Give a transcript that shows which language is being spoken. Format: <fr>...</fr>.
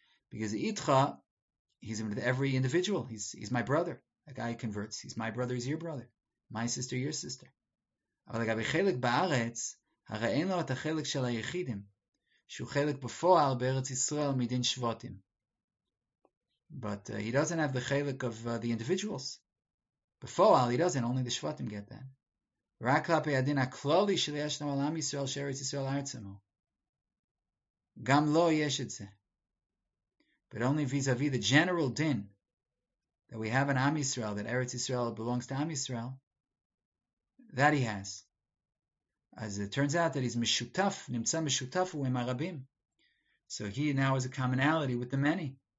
<en>Because Itcha, he's with every individual. He's my brother. A guy converts. He's my brother, he's your brother. My sister, your sister.</en> <he>אבל לגבי חלק בארץ, הרי אין לו את החלק של היחידים, שהוא חלק בפועל בארץ ישראל מדין שבוטים.</he> <en>But he doesn't have the חלק of the individuals. בפועל, he doesn't, only the שבוטים get that.</en> <he>רק כלפי הדין הכלולי של יש לו על עם ישראל שארץ ישראל ארצנו. גם לו יש את זה.</he> <en>But only vis-a-vis the general din, that we have an Am Yisrael, that Eretz Yisrael belongs to Am Yisrael, that he has. As it turns out that he's Meshutaf,</en> <he>Nimtza Meshutaf Hu Im Arabim.</he> <en>So he now has a commonality with the many.</en>